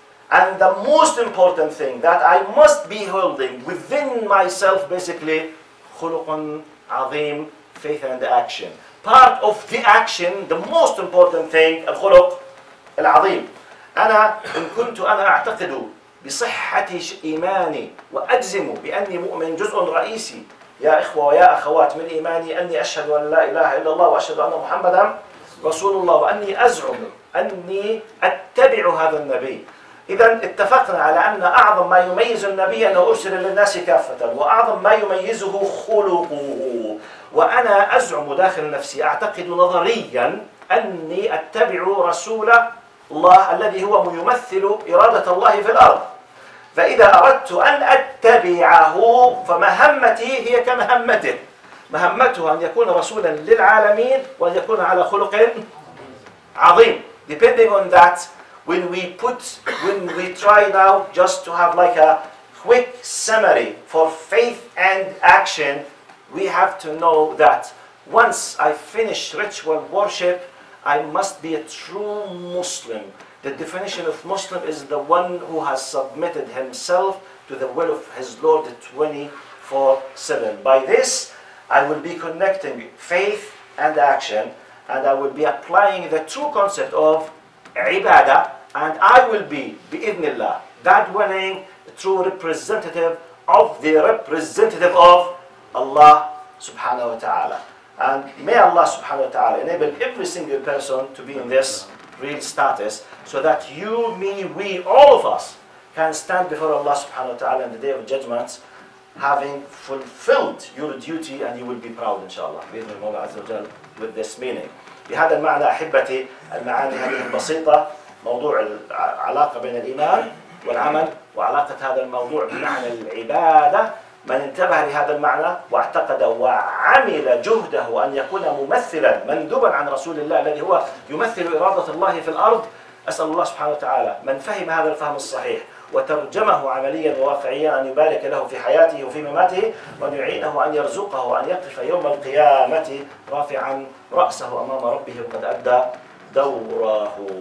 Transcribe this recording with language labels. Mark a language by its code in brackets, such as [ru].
[en] And the most important thing that I must be holding within myself, basically, khuluqun azim, faith and action. Part of the action, the most important thing, [ar] الخلق العظيم. أنا إن كنت أنا أعتقد بصحة إيماني وأجزم بأني مؤمن جزء رئيسي يا إخوة ويا أخوات من إيماني أني أشهد أن لا إله إلا الله وأشهد أن محمدا رسول الله وأني أزعم أني أتبع هذا النبي. إذا اتفقنا على أن أعظم ما يميز النبي أنه أرسل للناس كافة وأعظم ما يميزه خلقه. وأنا أزعم داخل نفسي أعتقد نظريا أني أتبع رسول الله الذي هو يمثل إرادة الله في الأرض. فإذا أردت أن أتبعه فمهمتي هي كمهمته. مهمته أن يكون رسولا للعالمين وأن يكون على خلق عظيم. [en] Depending on that, when we try now just to have like a quick summary for faith and action, we have to know that once I finish ritual worship, I must be a true Muslim. The definition of Muslim is the one who has submitted himself to the will of his Lord 24/7. By this, I will be connecting faith and action, and I will be applying the true concept of ibadah, and I will be, bi-idhnillah, that willing, true representative of the representative of Allah subhanahu wa ta'ala. And may Allah subhanahu wa ta'ala enable every single person to be in this real status so that you, me, we, all of us can stand before Allah subhanahu wa ta'ala on the day of judgment having fulfilled your duty, and you will be proud inshallah with this meaning. [ar] بهذا المعنى أحبتي المعاني هذه البسيطة، موضوع العلاقة بين الإيمان والعمل، وعلاقة هذا الموضوع بمعنى العبادة. من انتبه لهذا المعنى واعتقد وعمل جهده أن يكون ممثلا مندوبا عن رسول الله الذي هو يمثل إرادة الله في الأرض، أسأل الله سبحانه وتعالى من فهم هذا الفهم الصحيح وترجمه عمليا وواقعيا أن يبارك له في حياته وفي مماته، وأن يعينه وأن يرزقه وأن يقف يوم القيامة رافعا رأسه أمام ربه وقد أدى دوره.